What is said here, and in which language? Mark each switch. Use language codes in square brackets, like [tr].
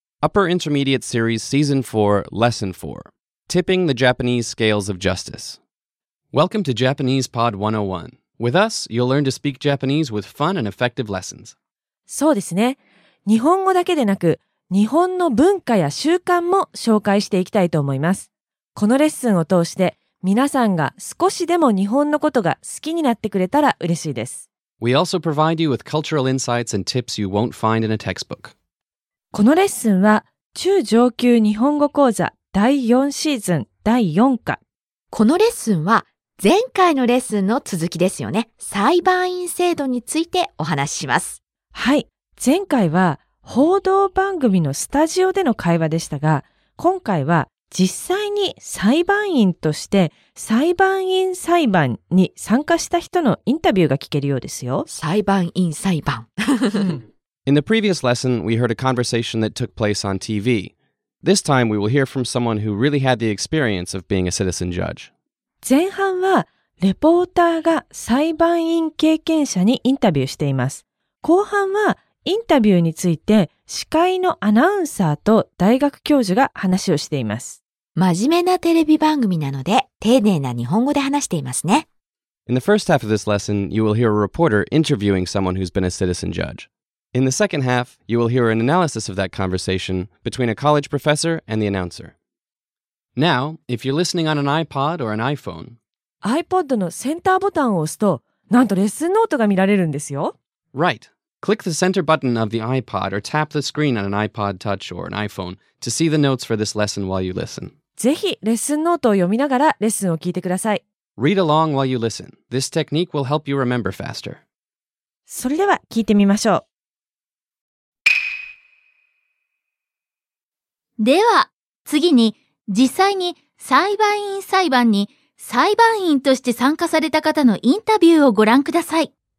[en] Upper Intermediate Series Season 4 Lesson 4 Tipping the Japanese Scales of Justice. Welcome to Japanese Pod 101. With us, you'll learn to speak Japanese with fun and effective lessons. [ja] そうですね、日本語だけでなく日本の文化や習慣も紹介していきたいと思います。このレッスンを通して皆さんが少しでも日本のことが好きになってくれたら嬉しいです。 [en] We also provide you with cultural insights and tips you won't find in a textbook. [ja] このレッスンは中上級日本語講座第4シーズン第4課。このレッスンは前回のレッスンの続きですよね。裁判員制度についてお話しします。はい。前回は報道番組のスタジオでの会話でしたが、今回は実際に裁判員として裁判員裁判に参加した人のインタビューが聞けるようですよ。裁判員裁判。 [en] In the previous lesson, we heard a conversation that took place on TV. This time, we will hear from someone who really had the experience of being a citizen judge. [ja] 前半はレポーターが裁判員経験者にインタビューしています。後半はインタビューについて司会のアナウンサーと大学教授が話をしています。真面目なテレビ番組なので丁寧な日本語で話していますね。 [en] In the first half of this lesson, you will hear a reporter interviewing someone who's been a citizen judge. In the second half, you will hear an analysis of that conversation between a college professor and the announcer. Now, if you're listening on an iPod or an iPhone, [ja] iPod のセンターボタンを押すとなんとレッスンノートが見られるんですよ。 [en] Right. Click the center button of the iPod or tap the screen on an iPod Touch or an iPhone to see the notes for this lesson while you listen. [ja] ぜひレッスンノートを読みながらレッスンを聞いてください。 [en] Read along while you listen. This technique will help you remember faster. [ja] それでは聞いてみましょう。では、次に実際に裁判員裁判に裁判員として参加された方のインタビューをご覧ください。